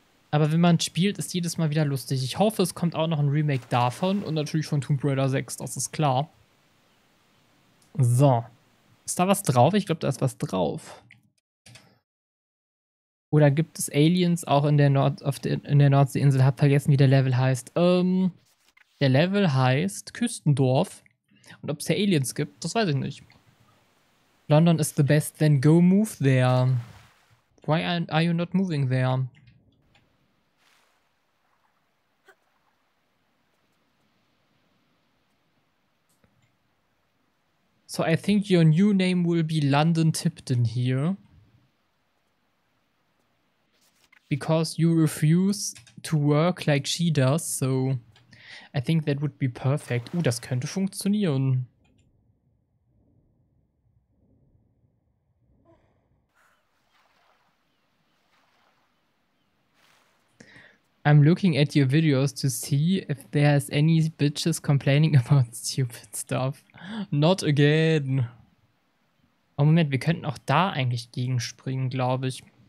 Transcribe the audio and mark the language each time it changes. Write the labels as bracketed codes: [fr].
[de] Aber wenn man spielt, ist jedes Mal wieder lustig. Ich hoffe, es kommt auch noch ein Remake davon und natürlich von Tomb Raider 6, das ist klar. So. Ist da was drauf? Ich glaube, da ist was drauf. Oder gibt es Aliens auch in der in der Nordseeinsel? Hab vergessen, wie der Level heißt. Der Level heißt Küstendorf. Und ob es hier Aliens gibt, das weiß ich nicht. [en] London is the best, then go move there. Why are you not moving there? So I think your new name will be London Tipton here. Because you refuse to work like she does, so I think that would be perfect. [de] Das könnte funktionieren. [en] I'm looking at your videos to see if there's any bitches complaining about stupid stuff. Not again. [de] Oh Moment, wir könnten auch da eigentlich gegenspringen, glaube ich.